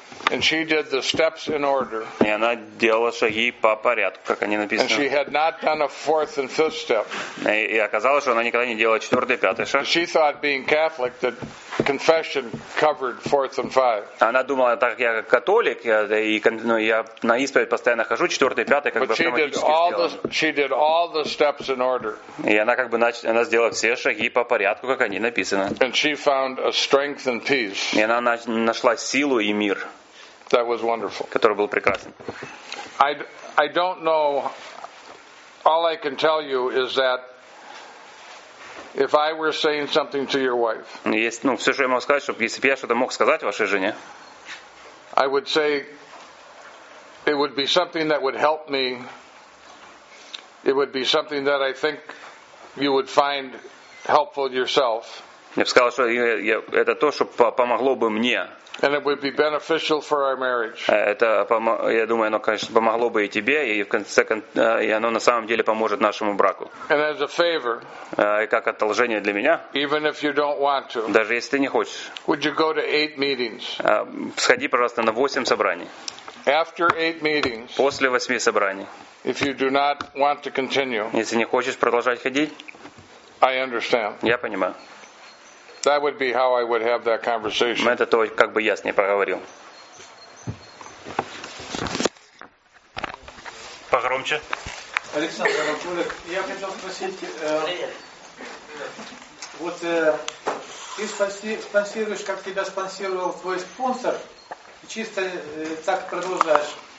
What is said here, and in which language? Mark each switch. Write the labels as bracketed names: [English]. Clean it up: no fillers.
[English] And she did the steps in order. [Russian] И она делала шаги по порядку, как они написаны. [English] And she had not done a fourth and fifth step. [Russian] И оказалось, что она никогда не делала четвертый, пятый шаг. [English] She thought, being Catholic, that confession covered fourth and five. [Russian] Она думала, так как я католик, я на исповедь постоянно хожу, четвертый, пятый, как бы автоматически сделано. [English] She did all the steps in order. [Russian] И она как бы она сделала все шаги по порядку, как они написаны. [English] And she found a strength and peace. [Russian] И она нашла силу и мир. [English] That was wonderful. [Russian] Который был прекрасен. [English] I don't know. All I can tell you is that if I were saying something to your wife. [Russian] Есть, ну, все, что я могу сказать, чтобы если бы я что-то мог сказать вашей жене. [English] I would say it would be something that would help me. It would be something that I think you would find helpful yourself. [Russian] Я бы сказал, что это то, что помогло бы мне. [English] And it would be beneficial for our marriage. [Russian] Это, я думаю, оно, конечно, помогло бы и тебе, и в конце концов, и оно на самом деле поможет нашему браку. [English] And as a favor. [Russian] И как одолжение для меня. [English] Even if you don't want to. [Russian] Даже если ты не хочешь. [English] Would you go to 8 meetings? [Russian] Сходи, пожалуйста, на 8 собраний. [English] After 8 meetings. [Russian] После 8 собраний. [English] If you do not want to continue. [Russian] Если не хочешь продолжать ходить. [English] I understand. [Russian] Я понимаю. [English] That would be how I would have that conversation. [Russian] Это то, как бы я с ней поговорил. Погромче. Александр, я хотел спросить. Вот ты спонсируешь, как тебя спонсировал твой спонсор, и чисто так продолжаешь.